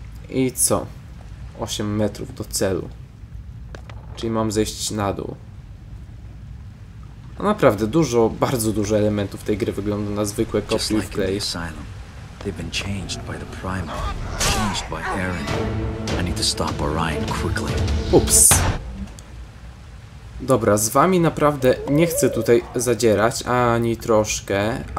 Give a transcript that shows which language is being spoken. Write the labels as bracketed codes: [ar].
[pl] I co? 8 metrów do celu. Czyli mam zejść na dół. No naprawdę, dużo, bardzo dużo elementów tej gry wygląda na zwykłe kopie i wklej. [en] They've been changed by the Primal, changed by Aaron. I need to stop Orion quickly. Ups. [pl] Dobra, z wami naprawdę nie chcę tutaj zadzierać ani troszkę.